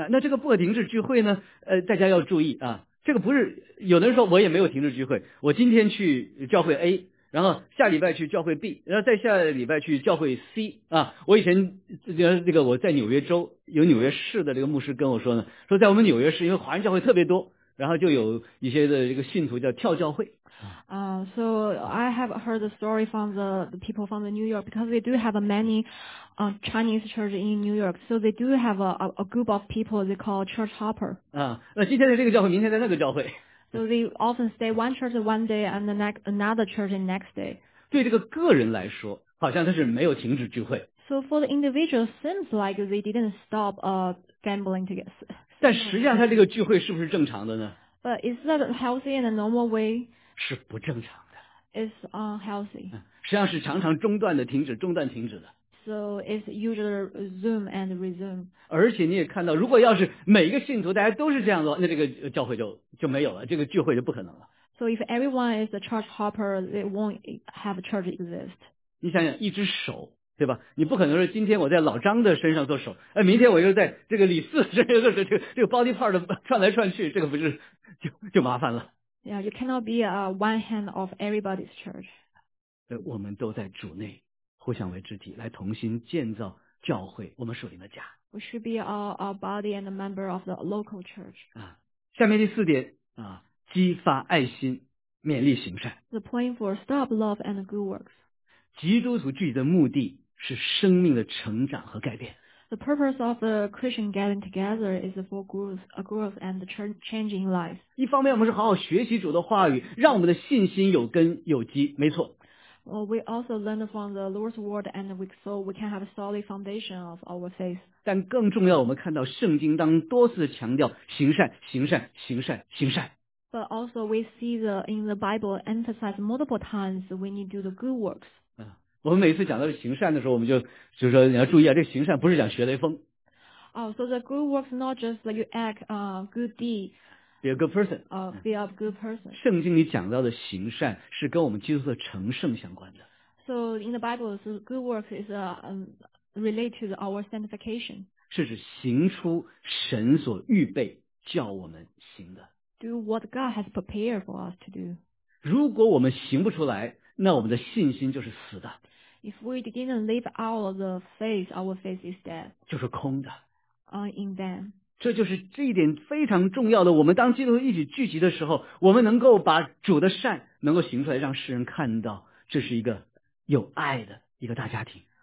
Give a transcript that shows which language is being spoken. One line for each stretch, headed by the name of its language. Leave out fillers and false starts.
Chinese: 那这个不可停止聚会呢？大家要注意啊，这个不是有的人说我也没有停止聚会，我今天去教会 A。然后下礼拜去教会 B， 然后再下礼拜去教会 C 啊。我以前这个我在纽约州有纽约市的这个牧师跟我说呢，说在我们纽约市，因为华人教会特别多，然后就有一些的这个信徒叫跳教会。
English: So I have heard the story from the people from the New York because they do have many Chinese church in New York. So they do have a group of people they call church hopper.
Chinese: 啊，那今天在这个教会，明天在那个教会。
English: So they often stay one church one day and another church the next day.
Chinese: 对这个个人来说，好像他是没有停止聚会。
English: So for the individual, seems like they didn't stop gambling together.
Chinese: 但实际上，他这个聚会是不是正常的呢
English: ？But is that healthy in a normal way?
Chinese: 是不正常的。
English: It's unhealthy.
Chinese: 实际上是常常中断的停止，中断停止的。
English: So it's usually resume and resume.
Chinese: 而且你也看到，如果要是每一个信徒大家都是这样做，那这个教会就没有了，这个聚会就不可能了。
English: So if everyone is a church hopper, they won't have a church exist.
Chinese: 你想想，一只手，对吧？你不可能说今天我在老张的身上做手，明天我又在这个李四身上做手，这个 body part 的串来串去，这个不是就麻烦了。
English: Yeah, you cannot be a one hand of everybody's church.
Chinese: 对，我们都在主内。互相为肢体，来同心建造教会，我们属灵的家。
English: We should be our body and a member of the local church.
Chinese: 啊，下面第四点啊，激发爱心，勉励行善。
English: The point for stop love and good works.
Chinese: 基督徒聚集的目的是生命的成长和改变。
English: The purpose of the Christian gathering together is for growth and changing life.
Chinese: 一方面，我们是好好学习主的话语，让我们的信心有根有基，没错。
English: Well, we also learn from the Lord's word and we, so we can have a solid foundation of our faith.
Chinese: 但更重要，我们看到圣经当多次强调行善，行善，行善，行善。
English: But also we see the, in the Bible emphasize multiple times we need to do the good works.
Chinese: 我们每次讲到行善的时候，我们就说你要注意啊，这行善不是讲学雷锋。
English: Oh, so the good works not just that you act good deed. Be a good person. Be a good person.
Chinese: 圣经里讲到的行善是跟我们基督的成圣相关的。
English: So in the Bible, the good works is related to our sanctification.
Chinese: 是指行出神所预备叫我们行的。
English: Do what God has prepared for us to do.
Chinese: 如果我们行不出来，那我们的信心就是死的。
English: If we didn't live out of the faith, our faith is dead.
Chinese: 就是空的。
English: In vain.
Chinese: 这就是这一点非常重要的，我们当基督徒一起聚集的时候，我们能够把主的善能够行出来，让世人看到这是一个有爱的一个大家庭。